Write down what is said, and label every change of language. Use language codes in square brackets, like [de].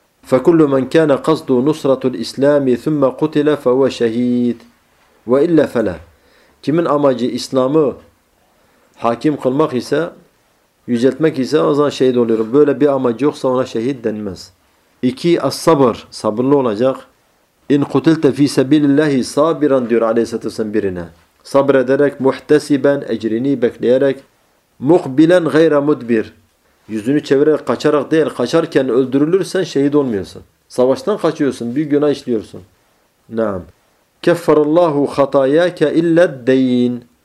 [ar] فَكُلُّ مَنْ كَانَ قَصْدُ نُسْرَةُ الْاِسْلَامِ ثُمَّ قُتِلَ فَهُوَ شَهِيدٌ وَاِلَّا فَلَا. [tr] Kimin amacı İslam'ı hakim kılmak ise, yüceltmek ise o zaman şehit oluyor. Böyle bir amacı yoksa ona şehit denmez. İki, as-sabır, sabırlı olacak. [ar] اِنْ قُتِلْتَ فِي سَبِيلِ اللّٰهِ صَابِرًا [tr] diyor aleyhisselatü vesselam birine. Sabrederek, muhtesiben, ecrini bekleyerek, [ar] مُقْبِلًا غَيْرَ مُدْبِرٍ. [tr] Yüzünü çevirerek kaçarak değil, kaçarken öldürülürsen şehit olmuyorsun. Savaştan kaçıyorsun, bir günah işliyorsun. Naam. [ar] Keffarallahu hatayake illa deyn.